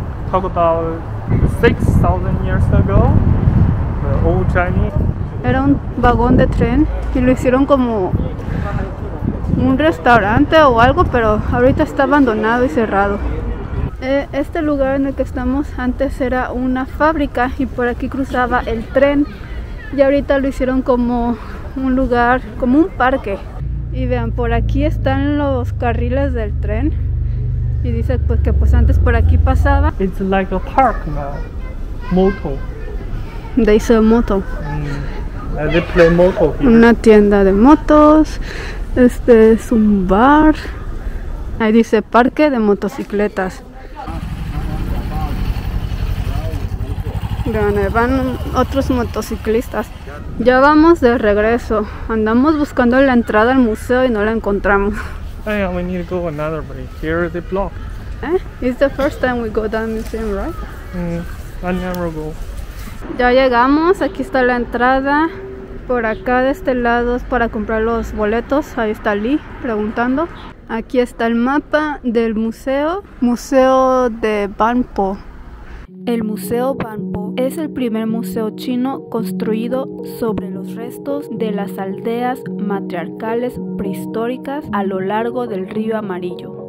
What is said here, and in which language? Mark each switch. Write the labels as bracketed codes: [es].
[en] Talk about 6,000 years ago, the old Chinese. [es] Era un vagón de tren y lo hicieron como un restaurante o algo, pero ahorita está abandonado y cerrado. Este lugar en el que estamos antes era una fábrica y por aquí cruzaba el tren y ahorita lo hicieron como un lugar, como un parque. Y vean, por aquí están los carriles del tren. Y dice pues que pues antes por aquí pasaba. [en] It's like a park now. Moto. They sell moto. And they play moto here. [es] Una tienda de motos. Este es un bar. Ahí dice parque de motocicletas. Vean, van otros motociclistas. Ya vamos de regreso. Andamos buscando la entrada al museo y no la encontramos. [en] Hey, we need to go another way. Here is the block. It's the first time we go to that museum, right? I never go. [es] Ya llegamos, aquí está la entrada. Por acá de este lado es para comprar los boletos. Ahí está Lee preguntando. Aquí está el mapa del museo. Museo de Banpo. El Museo Banpo es el primer museo chino construido sobre los restos de las aldeas matriarcales prehistóricas a lo largo del río Amarillo.